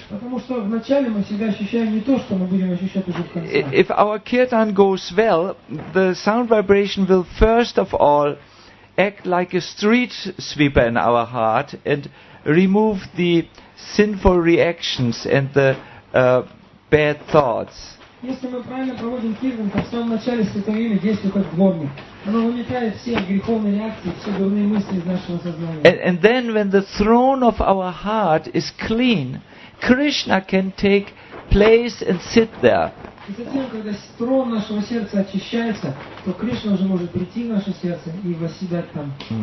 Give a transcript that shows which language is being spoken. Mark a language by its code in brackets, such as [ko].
[en] If our kirtan goes well, the sound vibration will first of all act like a street sweeper in our heart and remove the sinful reactions and the bad thoughts. [ru] Если мы правильно проводим кирган, то в самом начале святое имя действует как дворник. Оно уменьшает все греховные реакции, все дурные мысли из нашего сознания. [en] And then when the throne of our heart is clean, Krishna can take place and sit there. [ru] И затем, когда трон нашего сердца очищается, то Кришна уже может прийти в наше сердце и восседать там.